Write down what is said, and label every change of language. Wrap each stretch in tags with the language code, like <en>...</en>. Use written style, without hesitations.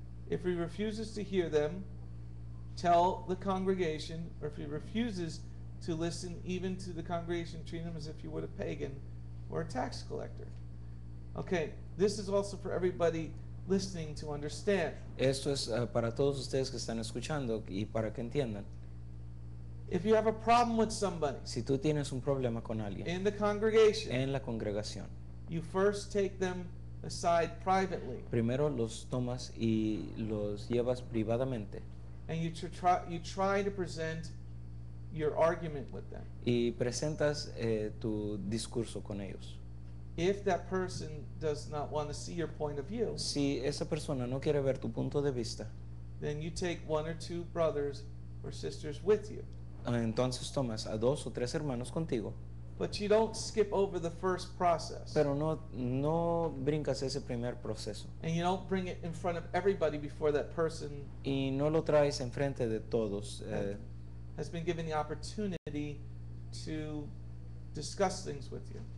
<en>If he refuses to hear them, tell the congregation, or if he refuses to listen even to the congregation, treat him as if you were a pagan or a tax collector. Okay, this is also for everybody listening to understand.</en> <es>Esto es para todos ustedes que están escuchando y para que entiendan.</es> <en>If you have a problem with somebody,</en> <es>si tú tienes un problema con alguien,</es> <en>in the congregation,</en> <es>en la congregación,</es> <en>you first take them aside privately.</en> <es>Primero los tomas y los llevas privadamente.</es> <en>And you try to present your argument with them.</en> <es>Y presentas tu discurso con ellos.</es> <en>If that person does not want to see your point of view,</en> <es>si esa persona no quiere ver tu punto de vista,</es> <en>then you take one or two brothers or sisters with you.</en> <es>Entonces tomas a dos o tres hermanos contigo.</es> <en>But you don't skip over the first process.</en> <es>Pero no brincas ese primer proceso.</es> <en>And you don't bring it in front of everybody before that person.</en> <es>Y no lo traes en frente de todos.</es> <en>Has been given the opportunity to discuss things with you.</en>